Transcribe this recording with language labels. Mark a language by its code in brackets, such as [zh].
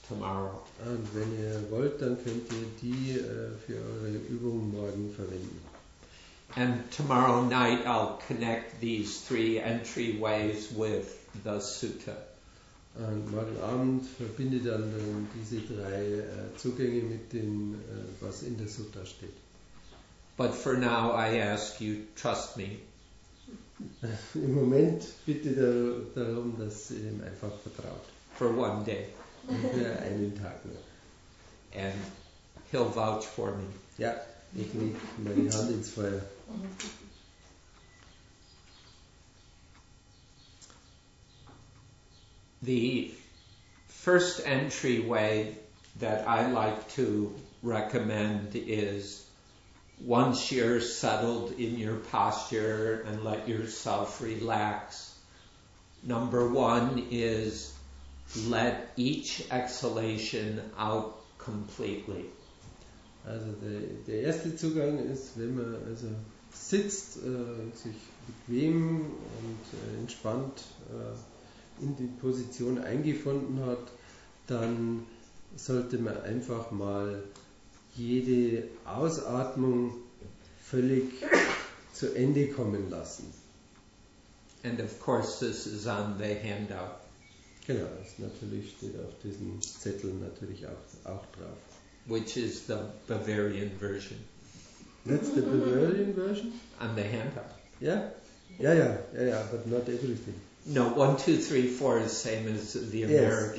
[en] tomorrow. [de] Und wenn ihr wollt, dann könnt ihr die für eure Übungen morgen verwenden. [en] And tomorrow night I'll connect these three entryways with the sutta. [de] Und morgen Abend verbinde dann diese drei Zugänge mit dem, was in der Sutta steht. [en] But for now I ask you, trust me. [de] Im Moment bitte darum, dass ihr ihm einfach vertraut. [en] For one day. [de] Für einen Tag nur. [en] And he'll vouch for me. [de] Ja, ich leg meine Hand ins Feuer. [en] The first entryway that I like to recommend is, once you're settled in your posture and let yourself relax, number one is let each exhalation out completely. [de] Also der erste Zugang ist, wenn man also sitzt, sich bequem und entspannt in die Position eingefunden hat, dann sollte man einfach mal jede Ausatmung völlig zu Ende kommen lassen. [en] And of course this is on the handout. [de] Genau, das natürlich steht auf diesem Zettel natürlich auch drauf. [en] Which is the Bavarian version. That's the Bavarian version? On the handout. Yeah, but not everything. No, 1, 2, 3, 4 is the same as the American.